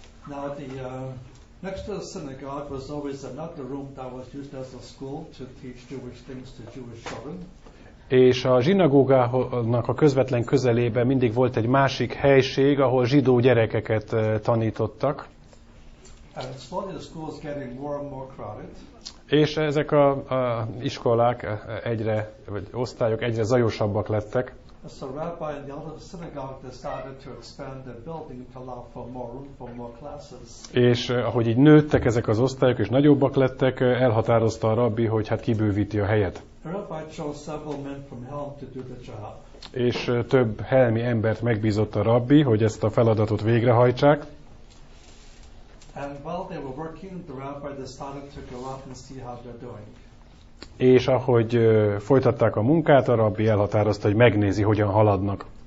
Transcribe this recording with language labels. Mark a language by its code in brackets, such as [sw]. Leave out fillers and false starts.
[en] Now the next to the synagogue was always another room that was used as a school to teach Jewish things to Jewish children. [hu] És a zsinagógának a közvetlen közelében mindig volt egy másik helység, ahol zsidó gyerekeket tanítottak. [en] And slowly the school is getting more and more crowded. [hu] És ezek a iskolák egyre, vagy osztályok egyre zajosabbak lettek. [en] So Rabbi and the elder of the synagogue decided to expand the building to allow for more room for more classes. [hu] És ahogy így nőttek ezek az osztályok és nagyobbak lettek, elhatározta a rabbi, hogy hát kibővíti a helyet. [en] Rabbi chose several men from Helm to do the job. [hu] És több helmi embert megbízott a rabbi, hogy ezt a feladatot végrehajtsák. [en] And while they were working, the rabbi decided to go up and see how they're doing. [hu] És ahogy folytatták a munkát, a rabbi elhatározta, hogy megnézi, hogyan haladnak.